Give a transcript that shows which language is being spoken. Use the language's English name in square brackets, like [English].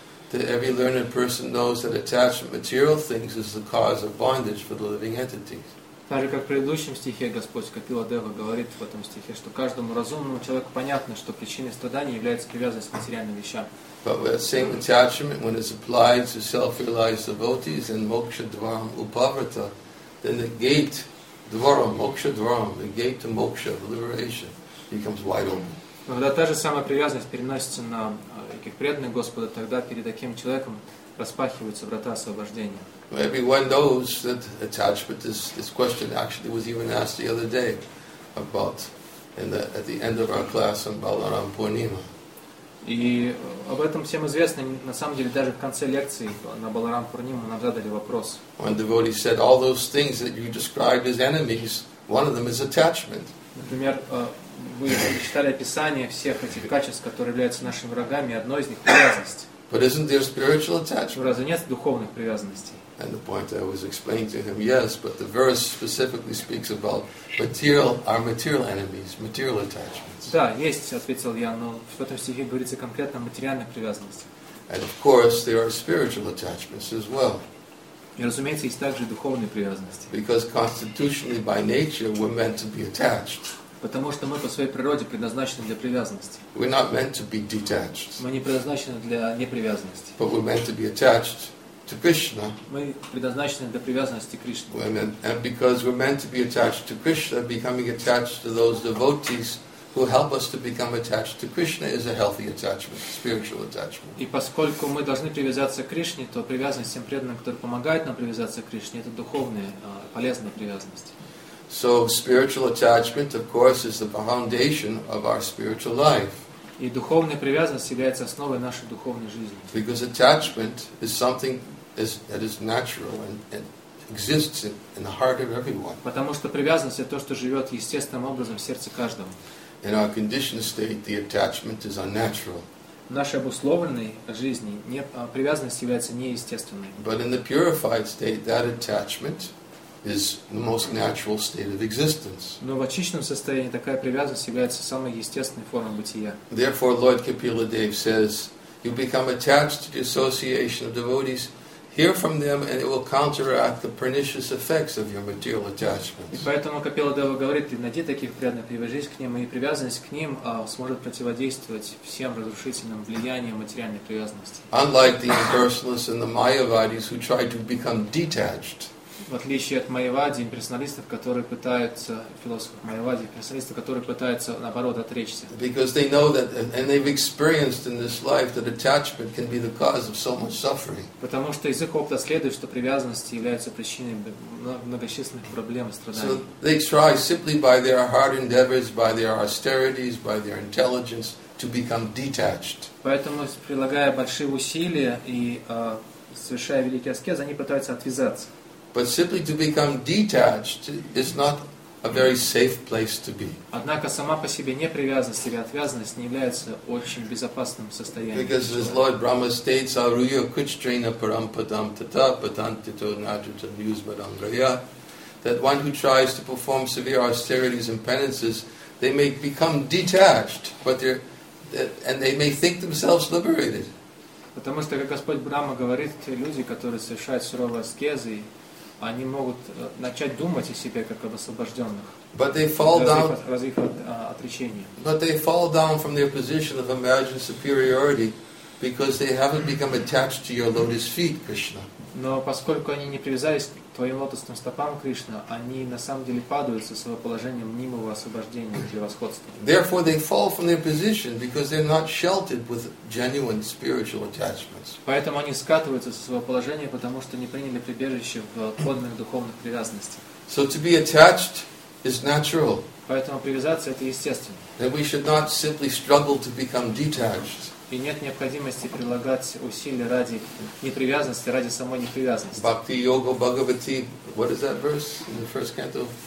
[English] That every learned person knows that attachment to material things is the cause of bondage for the living entities. [Russian] Так же, как в предыдущем стихе Господь Капила Дева говорит в этом стихе, что каждому разумному человеку понятно, что причиной страдания является привязанность к материальным вещам. [English] But the same attachment, when it's applied to self-realized devotees and moksha-dvaram upavrita, then the gate, dvaram, moksha-dvaram, the gate to moksha, liberation, becomes wide open. [Russian] Когда та же самая привязанность переносится на каких преданных Господа, тогда перед таким человеком распахиваются врата освобождения. [English] Everyone knows that attachment. This question actually was even asked the other day at the end of our class on Balaram Purnima. [Russian] И об этом всем известно. На самом деле, даже в конце лекции на Баларам Пурнима нам задали вопрос. [English] One devotee said, "All those things that you described as enemies, one of them is attachment." [Russian] Например, вы читали описание всех этих качеств, которые являются нашими врагами, и одно из них — привязанность. [English] But isn't there spiritual attachment? [Russian] Разве нет духовных привязанностей? [English] And the point I was explaining to him, yes, but the verse specifically speaks about material, our material enemies, material attachments. [Russian] Да, есть, ответил я, но в этом стихе говорится конкретно о материальных привязанностях. [English] And of course, there are spiritual attachments as well. [Russian] И, разумеется, есть также духовные привязанности. [English] Because constitutionally, by nature, we're meant to be attached. [Russian] Потому что мы по своей природе предназначены для привязанности. [English] We're not meant to be detached. [Russian] Мы не предназначены для непривязанности. [English] But we're meant to be attached. To Krishna. [Russian] Мы предназначены для привязанности к Кришне. [English] And because we're meant to be attached to Krishna, becoming attached to those devotees who help us to become attached to Krishna is a healthy attachment, spiritual attachment. [Russian] И поскольку мы должны привязаться к Кришне, то привязанность к тем преданным, которые помогают нам привязаться к Кришне, это духовная, полезная привязанность. [English] So spiritual attachment, of course, is the foundation of our spiritual life. [Russian] И духовная привязанность является основой нашей духовной жизни. [English] Because attachment is something that is natural and exists in the heart of everyone. [Russian] Потому что привязанность — это то, что живет естественным образом в сердце каждого. [English] In our conditioned state, the attachment is unnatural. [Russian] В нашей обусловленной жизни привязанность является неестественной. [English] But in the purified state, that attachment is the most natural state of existence. [Russian] Но в очищенном состоянии такая привязанность является самой естественной формой бытия. [English] Therefore, Lord Kapila Dev says, you become attached to the association of devotees, hear from them, and it will counteract the pernicious effects of your material attachments. [Russian] И поэтому Капила Дева говорит, найди таких преданных, привяжись к ним, и привязанность к ним сможет противодействовать всем разрушительным влияниям материальной привязанности. [English] Unlike the impersonalists and the Mayavadis who try to become detached. [Russian] В отличие от майявади, имперсоналистов, которые пытаются, философов майявади, имперсоналистов, которые пытаются, наоборот, отречься. [English] Because they know that, and they've experienced in this life, that attachment can be the cause of so much suffering. [Russian] Потому что из их опыта следует, что привязанности являются причиной многочисленных проблем и страданий. [English] So they try simply by their hard endeavors, by their austerities, by their intelligence, to become detached. [Russian] Поэтому, прилагая большие усилия и совершая великий аскез, они пытаются отвязаться. [English] But simply to become detached is not a very safe place to be. [Russian] Однако сама по себе непривязанность или отвязанность не является очень безопасным состоянием. [English] Because as Lord Brahma states, [Sanskrit] Aruya Kuchtrena Parampadam Tata Patantito Najita Nyusmadam Graya, [English] that one who tries to perform severe austerities and penances, they may become detached, but and they may think themselves liberated. [Russian] Потому что, как Господь Брама говорит, те люди, которые совершают суровые аскезы, они могут начать думать о себе как об освобожденных. [English] But they fall down. [Russian] Отречения. [English] But they fall down from their position of imagined superiority because they haven't become attached to your lotus feet, Krishna. [Russian] Но поскольку они не привязались к твоим лотосным стопам, Кришна, они на самом деле падают со своего положения мнимого освобождения и превосходства. [English] Therefore, they fall from their position because they're not sheltered with genuine spiritual attachments. [Russian] Поэтому они скатываются со своего положения, потому что не приняли прибежище в подлинных духовных привязанностях. [English] So to be attached is natural. [Russian] Поэтому привязаться это естественно. [English] And we should not simply struggle to become detached. [Russian] И нет необходимости прилагать усилия ради непривязанности, ради самой непривязанности. [Sanskrit] Бхакти йога бхагавати. [English] What is that verse in the first canto?